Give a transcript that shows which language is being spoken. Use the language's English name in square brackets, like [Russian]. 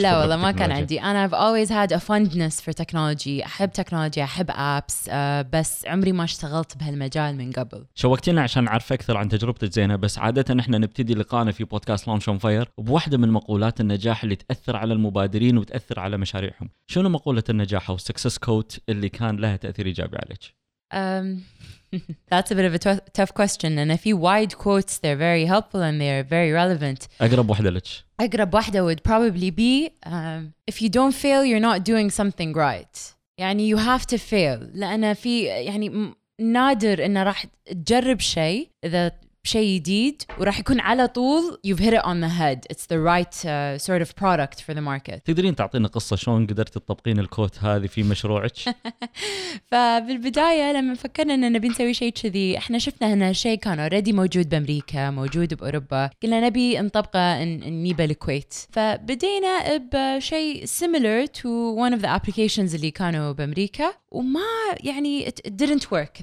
[Arabic] لا والله ما كان عندي. انا [English] I've always had a fondness for technology، [Arabic] احب تكنولوجيا، احب ابس، بس عمري ما اشتغلت بهالمجال من قبل. شوقتينا عشان اعرف اكثر عن تجربتك زينه، بس عاده احنا نبتدي لقائنا في بودكاست لونش اون فاير بواحده من مقولات النجاح اللي تاثر على المبادرين وتاثر على مشاريعهم. شنو مقوله النجاح او السكسس كوت اللي كان لها تاثير ايجابي عليك؟ [English] That's a bit of a tough question, and a few wide quotes, they're very helpful and they're very relevant. [Arabic] أقرب واحدة لك. أقرب واحدة [English] would probably be if you don't fail, you're not doing something right. [Arabic] يعني [English] you have to fail، [Arabic] لأن في يعني نادر إن راح تجرب شيء إذا شيء جديد وراح يكون على طول [English] you've hit it on the head. It's the right sort of product for the market. [Arabic] تقدرين تعطينا قصة شلون قدرت تطبقين الكوت هذه في مشروعك؟ فبالبداية لما فكرنا أننا بنسوي شيء كذي، احنا شفنا هنا شيء كان already موجود بأمريكا، موجود بأوروبا، قلنا نبي نطبقه نجيبه الكويت. فبدينا بشيء [English] similar to one of the applications [Arabic] اللي كانوا بأمريكا، وما يعني [English] it didn't work.